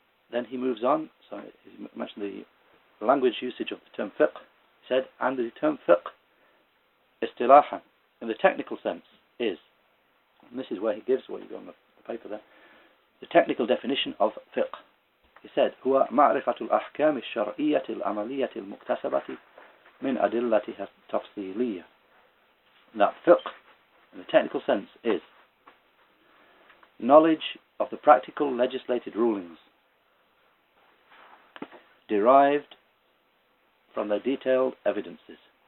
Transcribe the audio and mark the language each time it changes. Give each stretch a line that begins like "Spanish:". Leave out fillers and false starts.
English: Then he moves on, so he mentioned the language usage of the term fiqh. He said, and the term fiqh, istilaha, in the technical sense, is, and this is where he gives what you've got on the paper there, the technical definition of fiqh. He said,
Arabic: هو معرفة الأحكام الشرعية العملية المكتسبة من أدلتها التفصيلية.
English: That fiqh, in the technical sense, is knowledge of the practical legislated rulings derived from their detailed evidences.